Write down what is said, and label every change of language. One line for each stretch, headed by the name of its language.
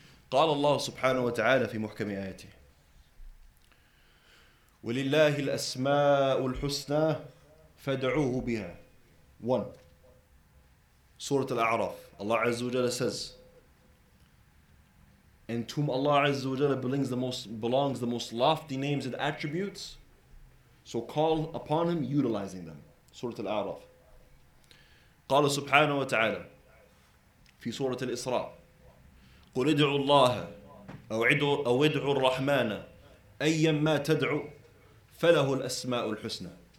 Arabic: قال الله سبحانه وتعالى في محكم آياته ولله الأسماء الحسنى فادعوه بها. One. سورة الأعراف.
English: Allah
Arabic: عز وجل
English: says, and to whom Allah عز وجل belongs the most lofty names and attributes, so call upon him utilizing them.
Arabic: سورة الأعراف. قال سبحانه وتعالى في سورة الإسراء قل ادعوا الله أو ادعوا الرحمن أيما تدعوا فله الأسماء الحسنى.